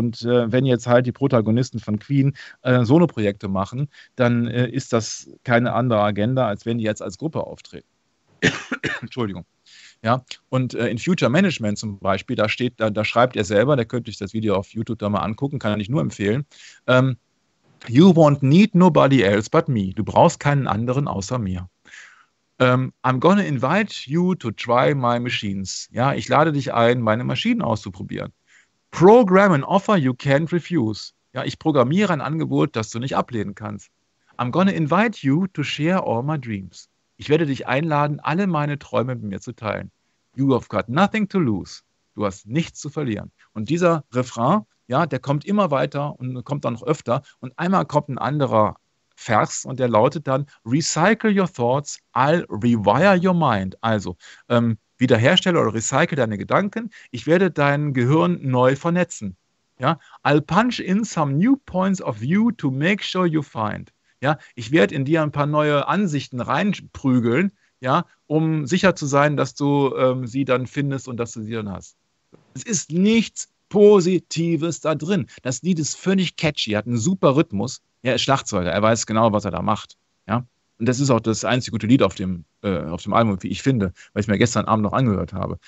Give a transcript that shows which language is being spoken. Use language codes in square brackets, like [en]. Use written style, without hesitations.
[de] Und wenn jetzt halt die Protagonisten von Queen Solo-Projekte machen, dann ist das keine andere Agenda, als wenn die jetzt als Gruppe auftreten. Entschuldigung. Ja, und in Future Management zum Beispiel, da schreibt er selber, der könnte sich das Video auf YouTube da mal angucken, kann ich nur empfehlen. [en] You won't need nobody else but me. [de] Du brauchst keinen anderen außer mir. [en] I'm gonna invite you to try my machines. [de] Ja, ich lade dich ein, meine Maschinen auszuprobieren. [en] Program an offer you can't refuse. [de] Ja, ich programmiere ein Angebot, das du nicht ablehnen kannst. [en] I'm gonna invite you to share all my dreams. [de] Ich werde dich einladen, alle meine Träume mit mir zu teilen. [en] You have got nothing to lose. [de] Du hast nichts zu verlieren. Und dieser Refrain, ja, der kommt immer weiter und kommt dann noch öfter. Und einmal kommt ein anderer Vers und der lautet dann, [en] recycle your thoughts, I'll rewire your mind. [de] Also, wiederherstelle oder recycle deine Gedanken. Ich werde dein Gehirn neu vernetzen. [en] Ja, I'll punch in some new points of view to make sure you find. [de] Ja, ich werde in dir ein paar neue Ansichten reinprügeln, ja, um sicher zu sein, dass du sie dann findest und dass du sie dann hast. Es ist nichts Positives da drin. Das Lied ist völlig catchy, hat einen super Rhythmus. Er ist Schlagzeuger, er weiß genau, was er da macht. Ja? Und das ist auch das einzige gute Lied auf dem Album, wie ich finde, weil ich mir gestern Abend noch angehört habe.